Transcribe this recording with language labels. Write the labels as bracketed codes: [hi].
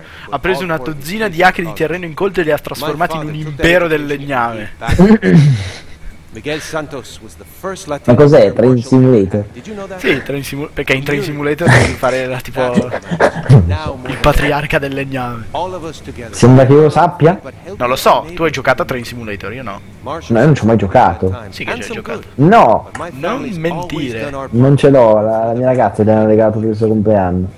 [it] Ha preso una dozzina di acri di terreno incolto e li ha trasformati in un impero del legname. [en] Miguel Santos was the first Latino. [it] Ma cos'è? Train Simulator? Sì, Train Simulator. Perché in Train Simulator devi fare la tipo il patriarca del legname. Sembra che io lo sappia? Non lo so, tu hai giocato a Train Simulator, io no. No, io non ci ho mai giocato. Sì che ci hai giocato. No! Non mentire. Non ce l'ho, la mia ragazza gli hanno regalato per il suo compleanno.